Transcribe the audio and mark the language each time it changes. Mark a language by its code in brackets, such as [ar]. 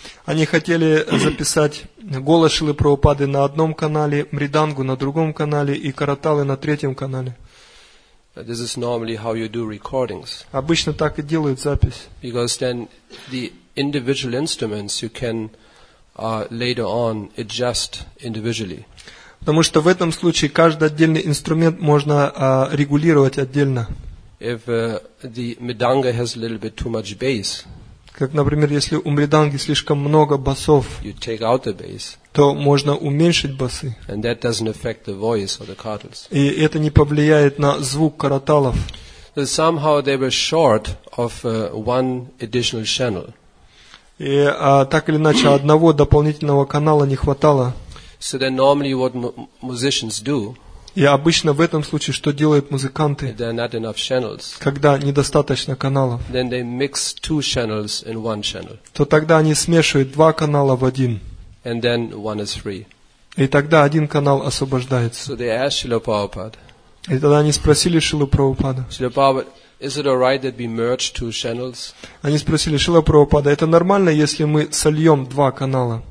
[ru] Они хотели записать голос Шрилы Прабхупады на одном канале, мридангу на другом канале и караталы на третьем канале. [en] This is normally how you do recordings. [ru] Обычно так и делают запись. [en] Because then the individual instruments you can later on adjust individually. [ru] Потому что в этом случае каждый отдельный инструмент можно регулировать отдельно. [en] If the midanga has a little bit too much bass, [ru] как, например, если у мриданги слишком много басов, [en] you take out the bass, [ru] то можно уменьшить басы. [en] And that doesn't affect the voice or the kartals. [ru] И это не повлияет на звук караталов. [en] So somehow they were short of one additional channel. [ru] И так или иначе одного дополнительного канала не хватало. [en] So then normally what musicians do, [ru] и обычно в этом случае, что делают музыканты, [en] channels, [ru] когда недостаточно каналов, [en] then they mix two channels in one channel. [ru] То тогда они смешивают два канала в один. [en] And then one is free. [ru] И тогда один канал освобождается. [en] So they asked Srila Prabhupada, [ru] и тогда они спросили Шрилу Прабхупаду, [en] Srila Prabhupada, is it all right that we merge two channels? [ru] Они спросили Шрилу Прабхупаду, это нормально, если мы сольем два канала?